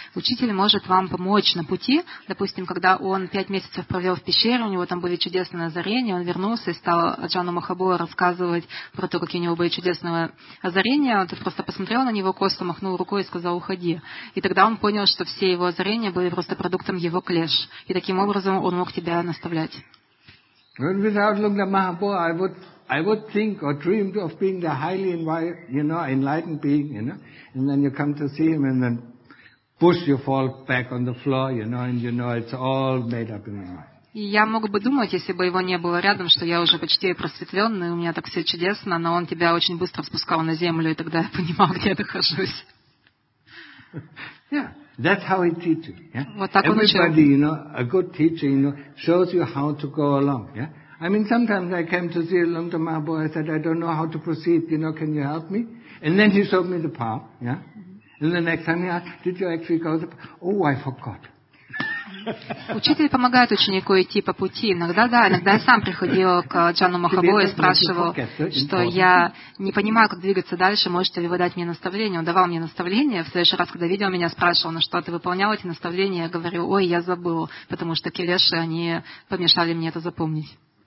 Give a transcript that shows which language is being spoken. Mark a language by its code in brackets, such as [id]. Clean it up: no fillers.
[ru] Учитель может вам помочь на пути. Допустим, когда он 5 месяцев провел в пещере, у него там были чудесные озарения, он вернулся и стал Аджану Махабуа рассказывать про то, какие у него были чудесные озарения. Он просто посмотрел на него косо, махнул рукой и сказал, уходи. И тогда он понял, что все его озарения были просто продуктом его клеш. И таким образом он мог тебя наставлять. [en] Without Lungta Mahabua, I would think or dream of being the highly enlightened being, you know. And then you come to see him, and then, push, you fall back on the floor, you know. And you know it's all made up in my mind. [ru] Я мог бы думать, если бы его не было рядом, что я уже почти просветленный, у меня так все чудесно, но он тебя очень быстро спускал на землю, и тогда я понимал, где я нахожусь. [en] Yeah. That's how he teaches. Yeah? [ru] Вот так [en] everybody, you know, a good teacher, you know, shows you how to go along. Yeah, I mean, sometimes I came to see Lungta Mahabho, I said, I don't know how to proceed, you know, can you help me? And then he showed me the path, yeah? Mm-hmm. And the next time he asked, did you actually go the path? Oh, I forgot. [ru] Учитель помогает ученику идти по пути. Иногда, да, иногда я сам приходил к Джану Махабо и спрашивал, что я не понимаю, как двигаться дальше, можете ли вы дать мне наставление. Он давал мне наставление. В следующий раз, когда видел меня, спрашивал, ну что, ты выполнял эти наставления? Я говорю, ой, я забыл, потому что келеши, они помешали мне это запомнить.